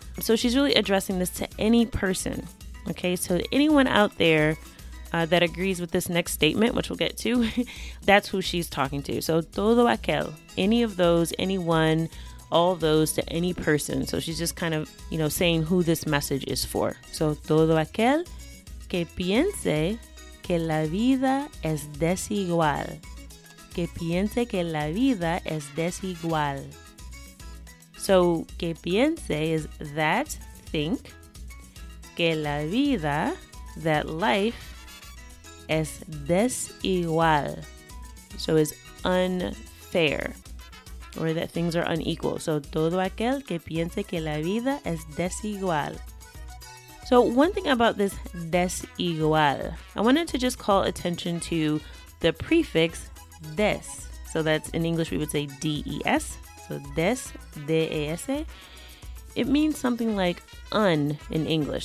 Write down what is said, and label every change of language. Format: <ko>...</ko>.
<en>So she's really addressing this to any person, okay? So anyone out there that agrees with this next statement, which we'll get to, that's who she's talking to. So</en> <es>todo aquel,</es> <en>any of those, anyone, all those to any person. So she's just kind of, you know, saying who this message is for.</en> <es>So todo aquel que piense que la vida es desigual. Que piense que la vida es desigual.</es> <en>So,</en> <es>que piense</es> <en>is that, think,</en> <es>que la vida,</es> <en>that life,</en> <es>es desigual,</es> <en>so is unfair, or that things are unequal.</en> <es>So, todo aquel que piense que la vida es desigual.</es> <en>So, one thing about this desigual, I wanted to just call attention to the prefix des, so that's in English we would say D-E-S. So des, D-E-S, it means something like un in English.</en>